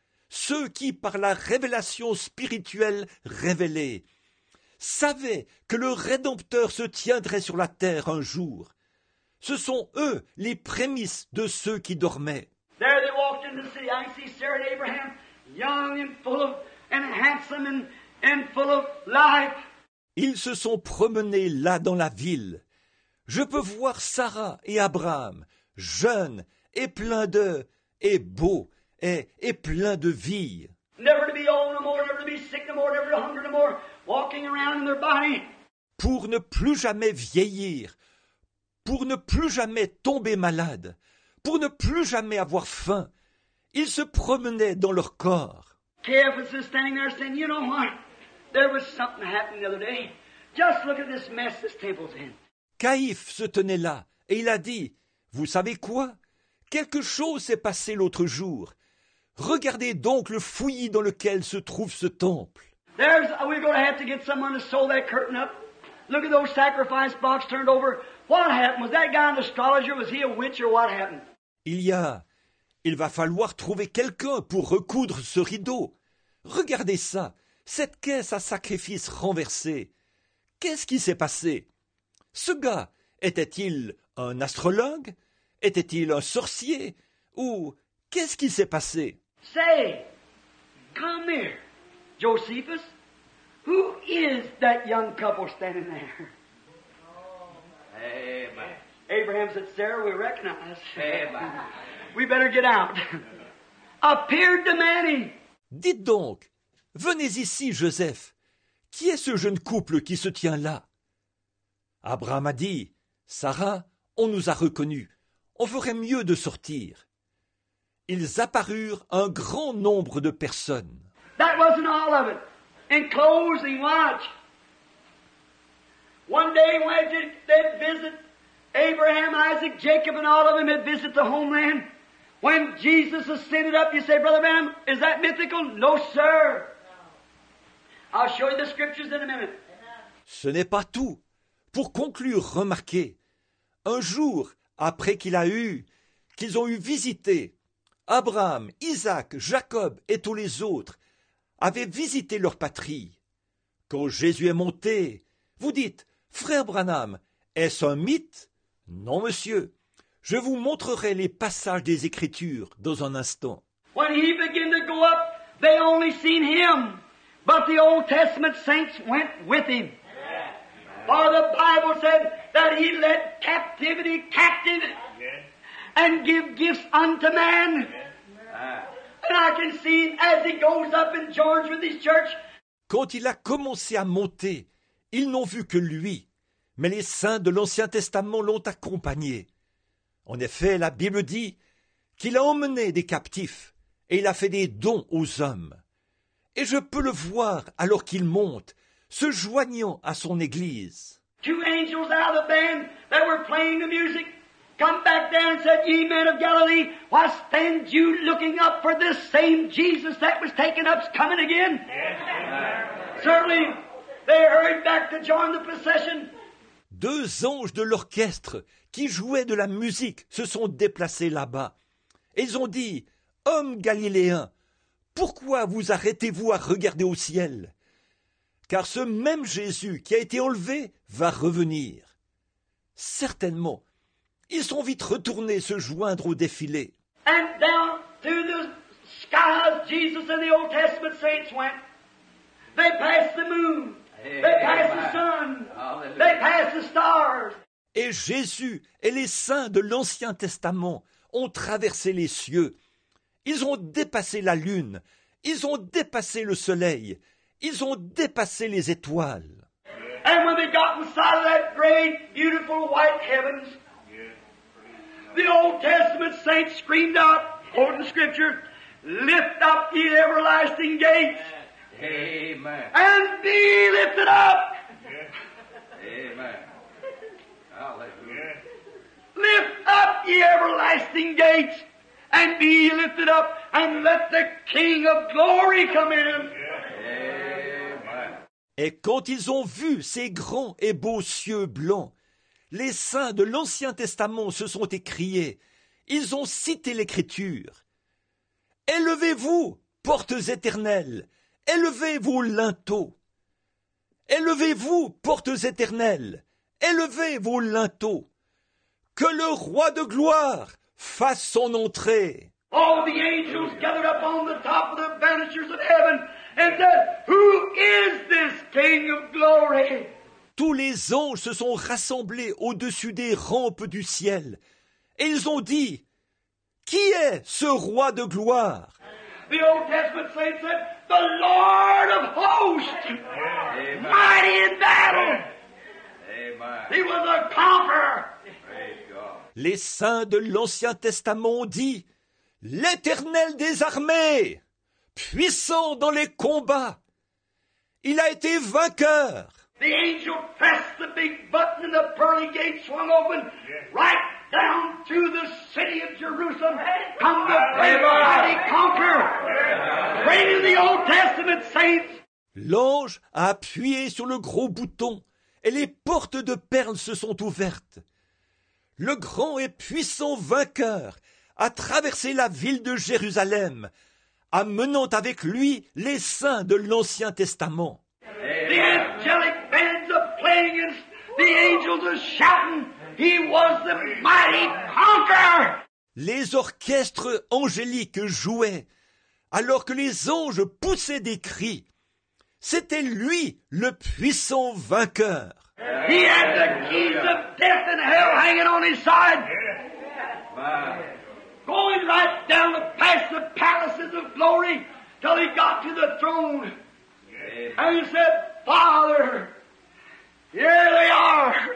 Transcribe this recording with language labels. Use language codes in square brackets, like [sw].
[fr] Ceux qui, par la révélation spirituelle révélée, savaient que le Rédempteur se tiendrait sur la terre un jour. Ce sont eux les prémices de ceux qui dormaient. [en] There they walked into the city. I see Sarah and Abraham, young and full of, and handsome and full of life. [fr] Ils se sont promenés là dans la ville. Je peux voir Sarah et Abraham, jeunes et pleins de, et beaux et pleins de vie. [en] Never to be old no more, never to be sick no more, never to hunger no more. Walking around in their body. [fr] Pour ne plus jamais vieillir, pour ne plus jamais tomber malade, pour ne plus jamais avoir faim, ils se promenaient dans leur corps. [en] Caiaphas is standing there saying, you know what? There was something happening the other day. Just look at this mess this temple's in. [fr] Caïphe se tenait là et il a dit, vous savez quoi? Quelque chose s'est passé l'autre jour. Regardez donc le fouillis dans lequel se trouve ce temple. [en] We're going to have to get someone to sew that curtain up. Look at those sacrifice box turned over. What happened? Was that guy an astrologer? Was he a witch or what happened? [fr] Il va falloir trouver quelqu'un pour recoudre ce rideau. Regardez ça. Cette caisse à sacrifice renversée. Qu'est-ce qui s'est passé? Ce gars, était-il un astrologue? Était-il un sorcier? Ou qu'est-ce qui s'est passé? [en] Say, come here. Josephus, who is that young couple standing there? Amen. Abraham said, Sarah, we recognize. Amen. We better get out. Appeared to many. [fr] Dites donc, venez ici, Joseph. Qui est ce jeune couple qui se tient là? Abraham a dit, Sarah, on nous a reconnus. On ferait mieux de sortir. Ils apparurent un grand nombre de personnes. [en] That wasn't all of it. In closing, watch. One day when they'd visit Abraham, Isaac, Jacob, and all of them had visit the homeland. When Jesus ascended up, you say, Brother Bam, is that mythical? No, sir. I'll show you the scriptures in a minute. [fr] Ce n'est pas tout. Pour conclure, remarquez, un jour après qu'ils ont eu visité Abraham, Isaac, Jacob et tous les autres, avaient visité leur patrie. Quand Jésus est monté, vous dites, frère Branham, est-ce un mythe? Non, monsieur. Je vous montrerai les passages des Écritures dans un instant. [en] When he began to go up, they only seen him, but the Old Testament saints went with him. For the Bible said that he led captivity captive and give gifts unto man. And I can see as he goes up and joins with his church. [fr] Quand il a commencé à monter, ils n'ont vu que lui, mais les saints de l'Ancien Testament l'ont accompagné. En effet, la Bible dit qu'il a emmené des captifs et il a fait des dons aux hommes. Et je peux le voir alors qu'il monte, se joignant à son église. [en] Two angels out of the band that were playing the music come back down and said, Ye men of Galilee, why stand you looking up for this same Jesus that was taken up is coming again? Yes. Certainly, they hurried back to join the procession. [fr] Deux anges de l'orchestre qui jouaient de la musique se sont déplacés là-bas. Ils ont dit, Hommes galiléens, pourquoi vous arrêtez-vous à regarder au ciel? Car ce même Jésus qui a été enlevé va revenir. Certainement, ils sont vite retournés se joindre au défilé. [en] And down through the skies, Jesus and the Old Testament saints went. They passed the moon. They passed the sun. They passed the stars. [fr] Et Jésus et les saints de l'Ancien Testament ont traversé les cieux. Ils ont dépassé la lune. Ils ont dépassé le soleil. Ils ont dépassé les étoiles. [en] And when they got inside of that great, beautiful white heavens, the Old Testament saints screamed out, quoting scripture, lift up ye everlasting gates. Amen. And be lifted up. Amen. Hallelujah. Lift up ye everlasting gates and be lifted up and let the King of glory come in. [fr] Et quand ils ont vu ces grands et beaux cieux blancs, les saints de l'Ancien Testament se sont écriés. Ils ont cité l'Écriture. Élevez-vous, portes éternelles, élevez vos linteaux. Élevez-vous, portes éternelles, élevez vos linteaux. Que le roi de gloire fasse son entrée. [en] All the angels gathered up on the top of the banisters of heaven. And said, Who is this King of glory? [fr] Tous les anges se sont rassemblés au-dessus des rampes du ciel. Et ils ont dit, Qui est ce roi de gloire? [en] The Old Testament saints said, The Lord of hosts, Amen. Mighty in battle. Amen. He was a conqueror. Praise God. [fr] Les saints de l'Ancien Testament ont dit, L'Éternel des armées. Puissant dans les combats. Il a été vainqueur. [en] The angel pressed the big button and the pearly gate swung open. Yeah. Right down to the city of Jerusalem. Come the mighty conqueror. Praying the Old Testament saints. [fr] L'ange a appuyé sur le gros bouton et les portes de perles se sont ouvertes. Le grand et puissant vainqueur a traversé la ville de Jérusalem amenant avec lui les saints de l'Ancien Testament. [en] The angelic bands are playing and the angels are shouting. He was the mighty conqueror. [fr] Les orchestres angéliques jouaient alors que les anges poussaient des cris. C'était lui le puissant vainqueur. [en] He had the keys of death and hell hanging on his side. Going right down the past the palaces of glory till he got to the throne. Amen. And he said, Father, here they are.